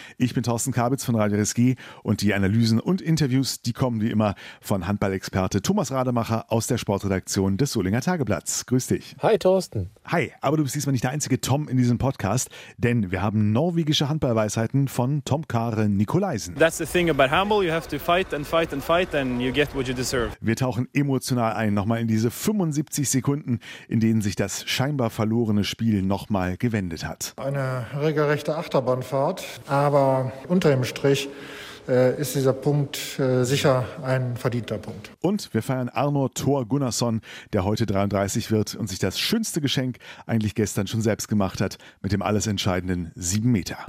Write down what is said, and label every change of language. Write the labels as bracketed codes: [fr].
[de] Ich bin Thorsten Kabitz von Radio RSG und die Analysen und Interviews, die kommen wie immer von Handballexperte Thomas Rademacher aus der Sportredaktion des Solinger Tageblatts. Grüß dich. Hi Thorsten. Hi, aber du bist diesmal nicht der einzige Tom in diesem Podcast, denn wir haben norwegische Handballweisheiten von Tom Kare Nikolaisen. [en] That's the thing about handball, you have to fight and fight and fight and you get what you deserve. [de] Wir tauchen emotional ein, nochmal in diese 75 Sekunden, in denen sich das scheinbar verlorene Spiel nochmal gewendet hat. Eine regelrechte Achterbahnfahrt, aber unter dem Strich ist dieser Punkt sicher ein verdienter Punkt. Und wir feiern Arnor Thor Gunnarsson, der heute 33 wird und sich das schönste Geschenk eigentlich gestern schon selbst gemacht hat, mit dem alles entscheidenden 7 Meter.